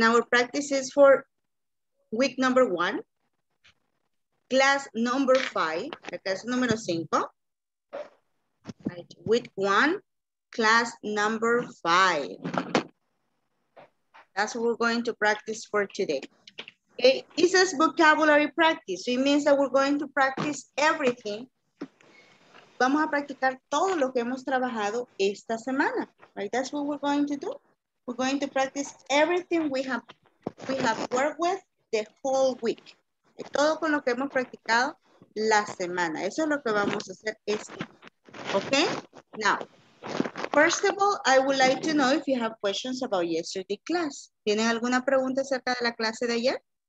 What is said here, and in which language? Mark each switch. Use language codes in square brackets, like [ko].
[en] And our practice is for week number one, class number five, [es] caso número cinco, [en] right? Week one, class number five. That's what we're going to practice for today. Okay, this is vocabulary practice. So it means that we're going to practice everything. [es] Vamos a practicar todo lo que hemos trabajado esta semana. [en] Right? That's what we're going to do. We're going to practice everything we have worked with the whole week. [es] Todo con lo que hemos practicado la semana. Eso es lo que vamos a hacer este. [en] Okay? Now, first of all, I would like to know if you have questions about yesterday class. [es] ¿Tienen alguna pregunta acerca de la clase de ayer?